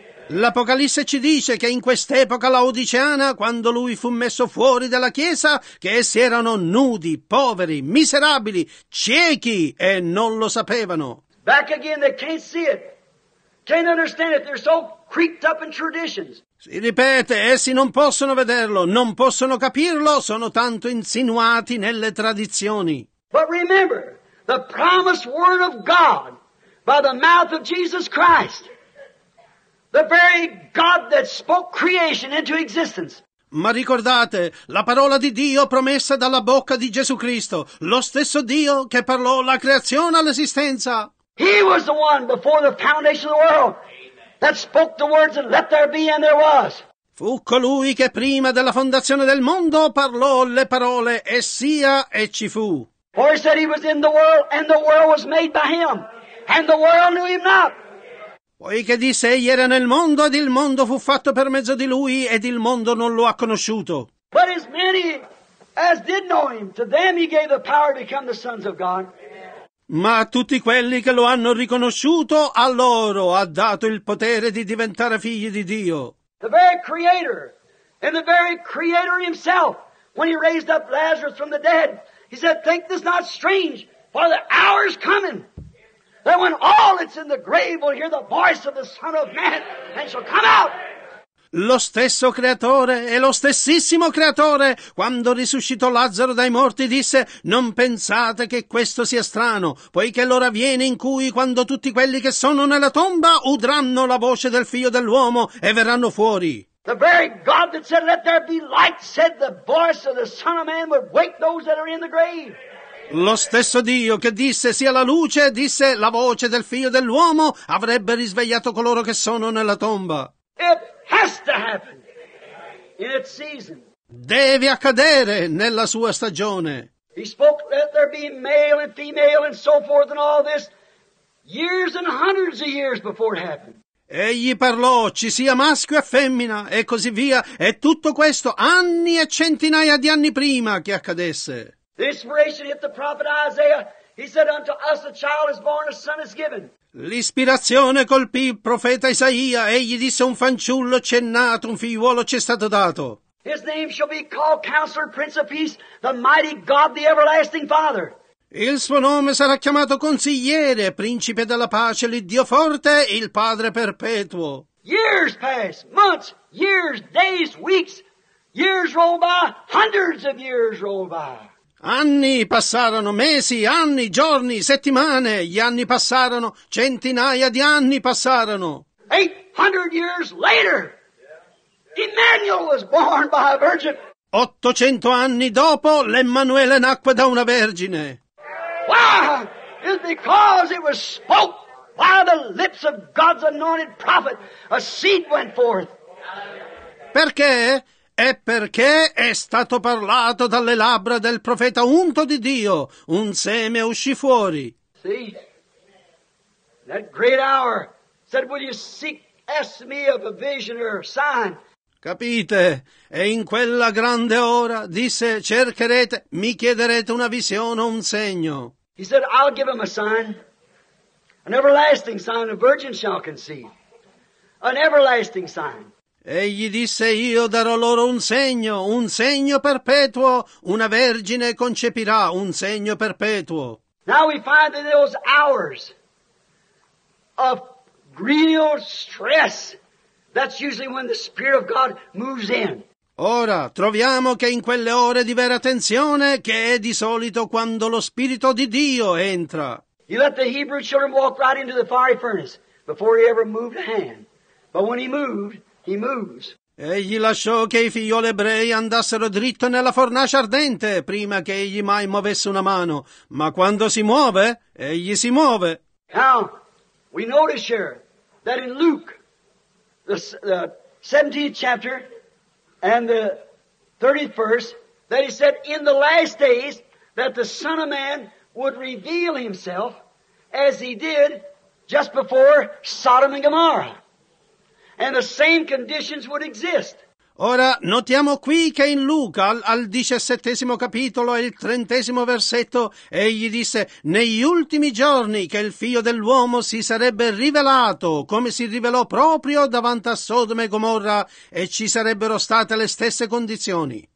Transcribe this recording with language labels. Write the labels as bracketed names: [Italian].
[Italian] L'Apocalisse ci dice che in quest'epoca laodiceana, quando lui fu messo fuori dalla chiesa, che essi erano nudi, poveri, miserabili, ciechi e non lo sapevano. [English] Back again, they can't see it, can't understand it, they're so creeped up in traditions. [Italian] Si ripete, essi non possono vederlo, non possono capirlo, sono tanto insinuati nelle tradizioni. [English] But remember, the promised word of God by the mouth of Jesus Christ. The very God that spoke creation into existence. [Italian] Ma ricordate, la parola di Dio promessa dalla bocca di Gesù Cristo, lo stesso Dio che parlò la creazione all'esistenza. [English] He was the one before the foundation of the world that spoke the words and let there be and there was. [Italian] Fu colui che prima della fondazione del mondo parlò le parole e sia e ci fu. [English] For he said he was in the world and the world was made by him and the world knew him not. [Italian] Poiché disse, egli era nel mondo ed il mondo fu fatto per mezzo di lui ed il mondo non lo ha conosciuto. [English] But as many as did know him, to them he gave the power to become the sons of God. [Italian] Ma a tutti quelli che lo hanno riconosciuto, a loro ha dato il potere di diventare figli di Dio. [English] The very creator, and the very creator himself, when he raised up Lazarus from the dead, he said, think this not strange, for the hour is coming. That when all that's in the grave will hear the voice of the Son of Man and shall come out. [Italian] Lo stesso creatore e lo stessissimo creatore, quando risuscitò Lazzaro dai morti, disse, non pensate che questo sia strano, poiché l'ora viene in cui, quando tutti quelli che sono nella tomba udranno la voce del Figlio dell'uomo e verranno fuori. [English] The very God that said, let there be light, said the voice of the Son of Man would wake those that are in the grave. [Italian] Lo stesso Dio che disse sia la luce, disse la voce del Figlio dell'uomo avrebbe risvegliato coloro che sono nella tomba. [English] It has to happen in its season. [Italian] Deve accadere nella sua stagione. [English] He spoke, let there be male and female and so forth and all this years and hundreds of years before it happened. [Italian] Egli parlò, ci sia maschio e femmina e così via, e tutto questo anni e centinaia di anni prima che accadesse. [English] The inspiration hit the prophet Isaiah. He said, unto us a child is born, a son is given. [Italian] L'ispirazione colpì il profeta Isaia. Egli disse, un fanciullo c'è nato, un figliuolo c'è stato dato. [English] His name shall be called Counselor, Prince of Peace, the Mighty God, the Everlasting Father. [Italian] Il suo nome sarà chiamato Consigliere, Principe della Pace, l'Iddio Forte, il Padre Perpetuo. [English] Years pass, months, years, days, weeks, years roll by, hundreds of years roll by. [Italian] Anni passarono, mesi, anni, giorni, settimane, gli anni passarono, centinaia di anni passarono. [English] 800 years later, Emmanuel was born by a virgin. [Italian] 800 anni dopo, l'Emmanuele nacque da una vergine. [English] Why? It's because it was spoke by the lips of God's anointed prophet. A seed went forth. [Italian] Perché? È perché è stato parlato dalle labbra del profeta unto di Dio. Un seme uscì fuori. [English] See? That great hour said, will you seek, ask me of a vision or a sign? [Italian] Capite? E in quella grande ora disse, cercherete, mi chiederete una visione o un segno. [English] He said, I'll give him a sign, an everlasting sign a virgin shall conceive. An everlasting sign. [Italian] Egli disse, io darò loro un segno perpetuo, una vergine concepirà un segno perpetuo. [English] Now we find that those hours of real stress, that's usually when the Spirit of God moves in. [Italian] Ora, troviamo che in quelle ore di vera tensione, che è di solito quando lo Spirito di Dio entra. [English] He let the Hebrew children walk right into the fiery furnace before he ever moved a hand. But when he moved, he moves. [Italian] Egli lasciò che i figlioli ebrei andassero dritto nella fornace ardente prima che egli mai muovesse una mano. Ma quando si muove, egli si muove. [English] Now, we notice here that in Luke, the 17th chapter and the 30th verse, that he said, in the last days, that the Son of Man would reveal himself as he did just before Sodom and Gomorrah. And the same conditions would exist. [Italian] Ora, notiamo qui che in Luca, al 17° capitolo e il 30° versetto, egli disse, negli ultimi giorni che il figlio dell'uomo si sarebbe rivelato, come si rivelò proprio davanti a Sodoma e Gomorra, e ci sarebbero state le stesse condizioni.